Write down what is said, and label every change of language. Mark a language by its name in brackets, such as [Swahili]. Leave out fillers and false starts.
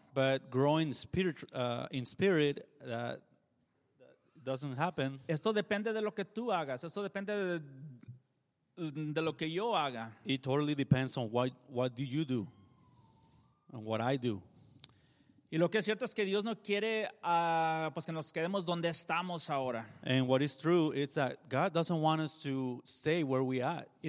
[English] But growing in spirit, that doesn't happen. [Spanish] Esto depende de lo que tú hagas. Esto depende de lo que yo haga. [English] It totally depends on what do you do and what I do. [Spanish] Y lo que es cierto es que Dios no quiere pues que nos quedemos donde estamos ahora. [English] And what is true is that God doesn't want us to stay where we are right now.